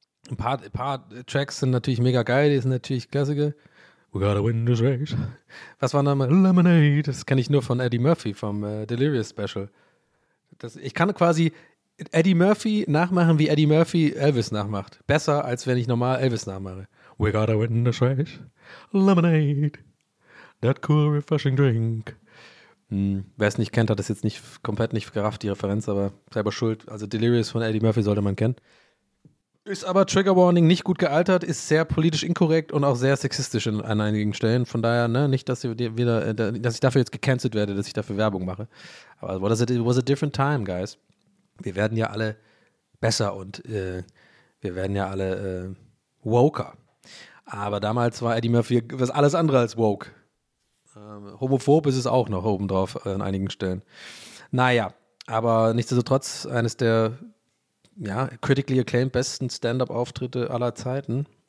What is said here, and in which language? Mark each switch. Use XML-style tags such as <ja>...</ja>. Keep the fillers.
<de>Ein paar, ein paar Tracks sind natürlich mega geil, die sind natürlich klassische.</de> <en>We gotta win this race.</en> <de>Was war nochmal? Lemonade. Das kenne ich nur von Eddie Murphy vom äh, Delirious Special. Das, ich kann quasi Eddie Murphy nachmachen, wie Eddie Murphy Elvis nachmacht. Besser, als wenn ich normal Elvis nachmache.</de> <en>We gotta win this race. Lemonade. That cool, refreshing drink.</en> <de>Hm, Wer es nicht kennt, hat das jetzt nicht komplett nicht gerafft, die Referenz, aber selber schuld. Also Delirious von Eddie Murphy sollte man kennen. Ist aber Trigger Warning nicht gut gealtert, ist sehr politisch inkorrekt und auch sehr sexistisch in, an einigen Stellen. Von daher, ne, nicht, dass, ihr dir wieder, äh, da- dass ich dafür jetzt gecancelt werde, dass ich dafür Werbung mache. Aber</de> <en>what is it, it was a different time, guys.</en> <de>Wir werden ja alle besser und äh, wir werden ja alle äh, woker. Aber damals war Eddie Murphy was alles andere als woke. Ähm, homophob ist es auch noch obendrauf an einigen Stellen. Naja, aber nichtsdestotrotz eines der ja,</de> <en>critically acclaimed</en> <de>besten Stand-up-Auftritte aller Zeiten.</de>